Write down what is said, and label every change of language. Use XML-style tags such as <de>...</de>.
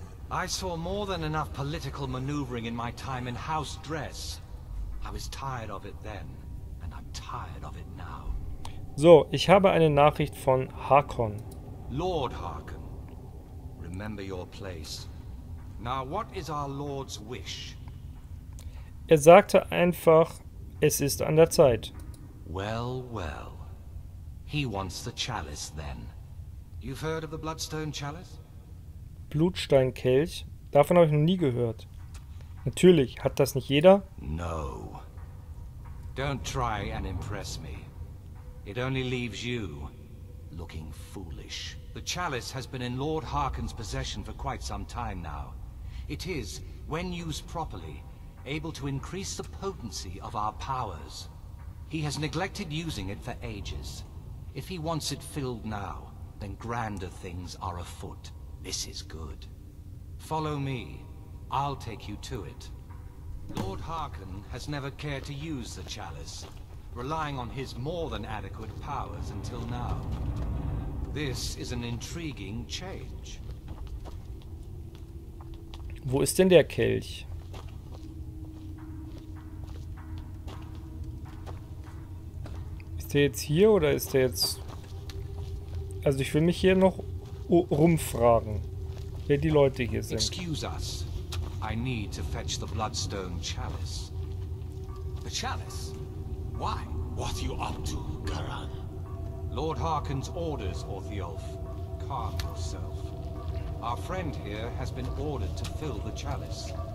<en>I saw more than enough political maneuvering in my time in house dress. I was tired of it then, and I'm tired of it now.</en> <de>So, ich habe eine Nachricht von Harkon.</de> <en>Lord Harkon, remember your place. Now, what is our Lord's wish?</en> <de>Er sagte einfach, es ist an der Zeit.</de> <en>Well, well. He wants the chalice then. You've heard of the Bloodstone Chalice?</en> <de>Blutsteinkelch? Davon habe ich noch nie gehört. Natürlich, hat das nicht jeder?</de> <en>No. Don't try and impress me. It only leaves you looking foolish. The chalice has been in Lord Harkin's possession for quite some time now. It is, when used properly, able to increase the potency of our powers. He has neglected using it for ages. If he wants it filled now, then grander things are afoot. This is good. Follow me. I'll take you to it. Lord Harkon has never cared to use the chalice, relying on his more than adequate powers until now. This is an intriguing change.</en> <de>Wo ist denn der Kelch? Ist der jetzt hier oder ist der jetzt... Also ich will mich hier noch rumfragen, wer die Leute hier sind.</de> <en>Excuse us. I need to fetch the Bloodstone Chalice. The Chalice? Why? What are you up to, Garan? Lord Harkin's orders, Orthiolf. Calm yourself. Our friend here has been ordered to fill the Chalice.</en>